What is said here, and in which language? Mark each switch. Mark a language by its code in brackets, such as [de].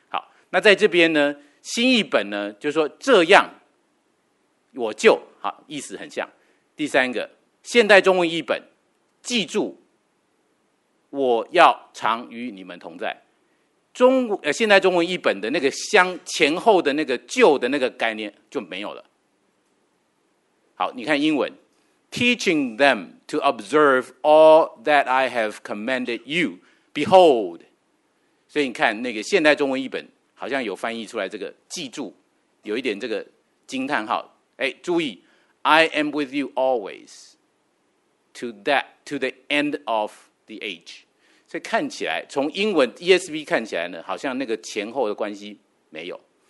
[zh] 好，那在这边呢，新译本呢，就是说这样，我就好，意思很像。第三个，现代中文译本，记住。我要常与你们同在。现代中文译本的那个相前后的那个旧的那个概念就没有了。好，你看英文 [en] ，teaching them to observe all that I have commanded you. [zh] Behold， 所以你看那个现代中文译本好像有翻译出来这个记住，有一点这个惊叹号。哎，注意 [en] ，I am with you always to the end of the age。 [zh] 所以看起来从英文 ESV 看起来呢，好像那个前后的关系没有。